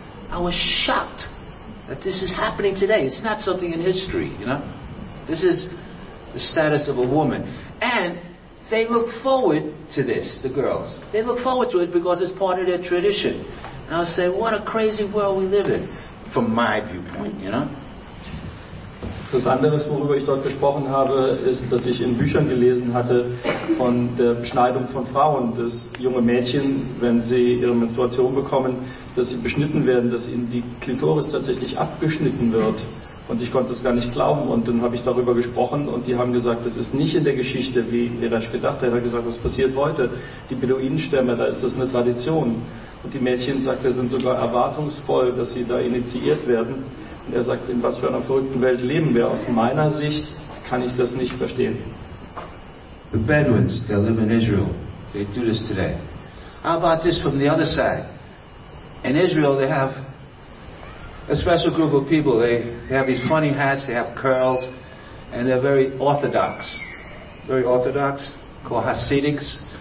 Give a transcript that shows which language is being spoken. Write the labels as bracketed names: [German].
[English] I was shocked that this is happening today. It's not something in history, you know? This is the status of a woman. And they look forward to this, the girls. They look forward to it because it's part of their tradition. And I'll say, what a crazy world we live in, from my viewpoint, you know? [German] Das andere, worüber ich dort gesprochen habe, ist, dass ich in Büchern gelesen hatte von der Beschneidung von Frauen, dass junge Mädchen, wenn sie ihre Menstruation bekommen, dass sie beschnitten werden, dass ihnen die Klitoris tatsächlich abgeschnitten wird. Und ich konnte es gar nicht glauben. Und dann habe ich darüber gesprochen und die haben gesagt, das ist nicht in der Geschichte, wie Eresh gedacht hat. Er hat gesagt, das passiert heute. Die Beduinenstämme, da ist das eine Tradition. Und die Mädchen, sagt er, sind sogar erwartungsvoll, dass sie da initiiert werden. Und er sagt, in was für einer verrückten Welt leben wir. Aus meiner Sicht kann ich das nicht verstehen. [English] The Bedouins, they live in Israel. They do this today. How about this from the other side? In Israel, they have a special group of people. They have these funny hats, they have curls, and they're very orthodox. Very orthodox, called Hasidics.